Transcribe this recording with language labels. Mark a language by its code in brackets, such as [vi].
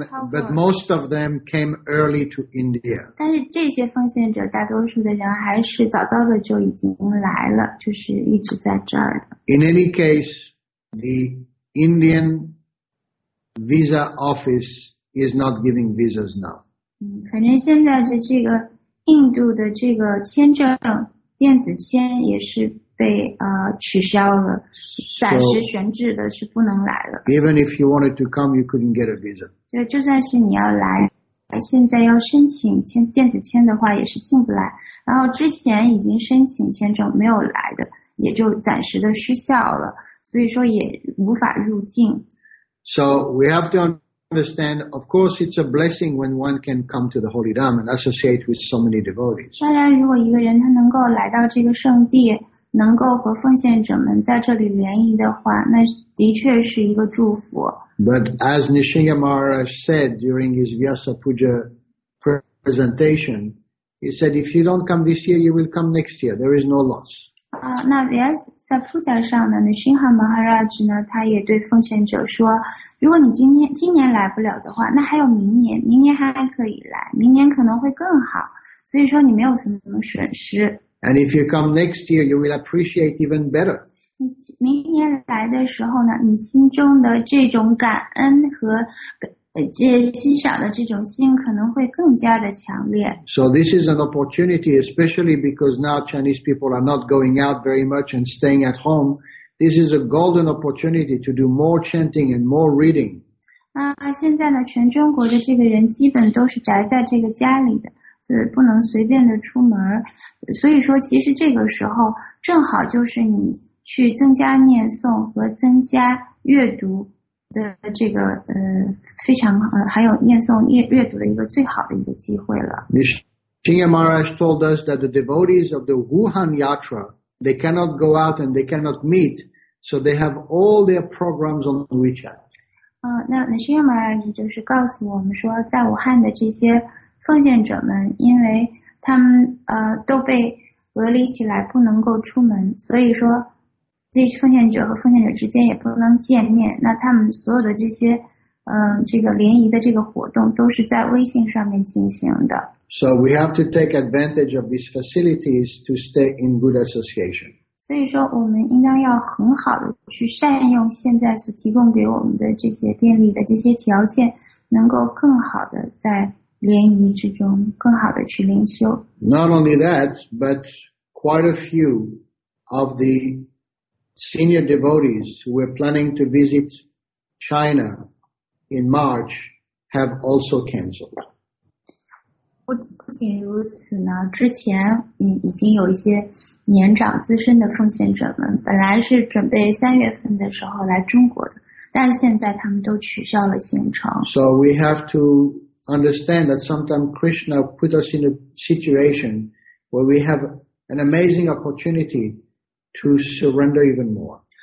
[en] But most of them came early to India. [zh] 但是这些奉献者大多数的人还是早早的就已经来了，就是一直在这儿的。 [en] In any case, the Indian visa office is not giving visas now. [zh] 反正现在的这个印度的这个签证电子签也是。被取消了，暂时悬置的，是不能来了。 [en] Even if you wanted to come, you couldn't get a visa. [zh] 对，就算是你要来，现在要申请签电子签的话，也是进不来。然后之前已经申请签证没有来的，也就暂时的失效了，所以说也无法入境。 [en] So we have to understand. Of course, it's a blessing when one can come to the Holy Dharma and associate with so many devotees. [zh] 当然，如果一个人他能够来到这个圣地。能够和奉献者们在这里联谊的话，那的确是一个祝福。 [en] But as Nrisimha Maharaj said during his Vyasa Puja presentation, he said, if you don't come this year, you will come next year. There is no loss. [zh] 那 Vyasa Puja 上呢 ，Nrisimha Maharaj 呢，他也对奉献者说，如果你今年来不了的话，那还有明年，明年还可以来，明年可能会更好。所以说你没有什么损失。 [en] And if you come next year, you will appreciate even better. [zh] 明年来的时候呢，你心中的这种感恩和这欣赏的这种心可能会更加的强烈。 [en] So this is an opportunity, especially because now Chinese people are not going out very much and staying at home. This is a golden opportunity to do more chanting and more reading. [zh] 现在呢，全中国的这个人基本都是宅在这个家里的。是不能随便的出门，所以说其实这个时候正好就是你去增加念诵和增加阅读的这个非常还有念诵阅读的一个最好的一个机会了。 [en] Nrisimha Maharaj told us that the devotees of the Wuhan Yatra they cannot go out and they cannot meet, so they have all their programs on WeChat. [zh] 那 Nrisimha Maharaj 就是告诉我们说，在武汉的这些。奉献者们，因为他们都被隔离起来，不能够出门，所以说这些奉献者和奉献者之间也不能见面。那他们所有的这些这个联谊的这个活动都是在微信上面进行的。 [en] So we have to take advantage of these facilities to stay in good association. [zh] 所以说，我们应当要很好的去善用现在所提供给我们的这些便利的这些条件，能够更好的在。联谊之中更好的去灵修。 [en] Not only that, but quite a few of the senior devotees who were planning to visit China in March have also cancelled. [zh] 不仅如此呢，之前已经有一些年长资深的奉献者们本来是准备三月份的时候来中国的，但现在他们都取消了行程。 [en] So we have to understand that sometimes Krishna put us in a situation where we have an amazing opportunity to surrender even more.